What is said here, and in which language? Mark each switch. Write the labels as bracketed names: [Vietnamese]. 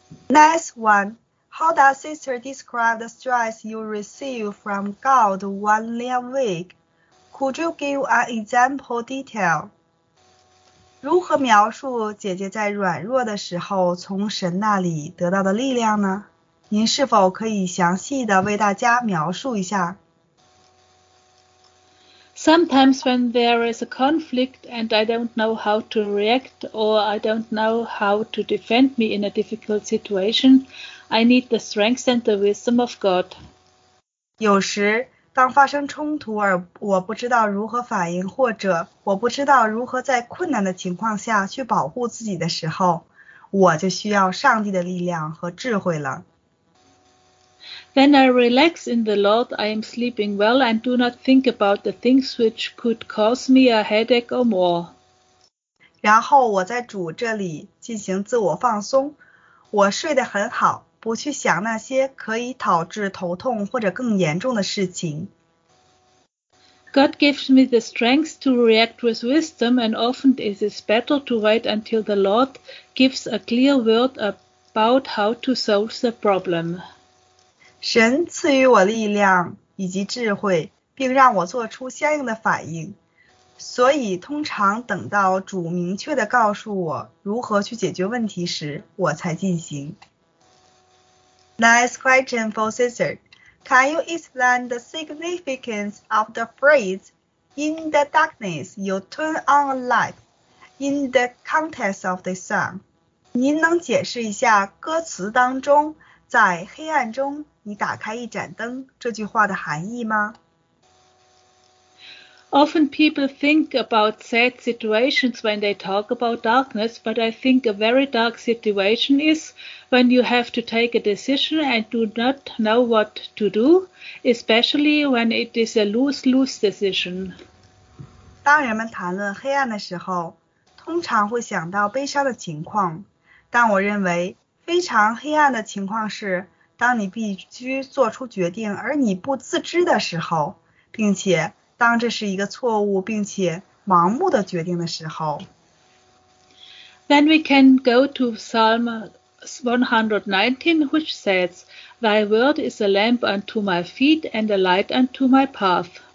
[English] Next one, how does sister describe the stress you receive from God one day a week? Could you give an example detail? [Chinese] 如何描述姐姐在软弱的时候从神那里得到的力量呢？您是否可以详细的为大家描述一下？ [English] Sometimes when there is a conflict and I don't know how to react or I don't know how to defend me in a difficult situation, I need the strength and the wisdom of God. [Chinese] 有时当发生冲突而我不知道如何反应，或者我不知道如何在困难的情况下去保护自己的时候，我就需要上帝的力量和智慧了。 [English] Then I relax in the Lord, I am sleeping well and do not think about the things which could cause me a headache or more. [Chinese] 然后我在主这里进行自我放松，我睡得很好，不去想那些可以导致头痛或者更严重的事情。 [English] God gives me the strength to react with wisdom and often it is better to wait until the Lord gives a clear word about how to solve the problem. [Chinese] 神赐予我力量以及智慧，并让我做出相应的反应，所以通常等到主明确地告诉我如何去解决问题时，我才进行。 [English] Nice question for sister. Can you explain the significance of the phrase, "In the darkness, you turn on a light," in the context of the song? [Chinese] 您能解释一下歌词当中在黑暗中你打开一盏灯这句话的含义吗？ [English] Often people think about sad situations when they talk about darkness, but I think a very dark situation is when you have to take a decision and do not know what to do, especially when it is a lose-lose decision. [Chinese] 当人们谈论黑暗的时候，通常会想到悲伤的情况，但我认为非常黑暗的情况是当你必须做出决定而你不自知的时候，并且当这是一个错误并且盲目的决定的时候。 [English] Then we can go to Psalm 119, which says, Thy word is a lamp unto my feet and a light unto my path.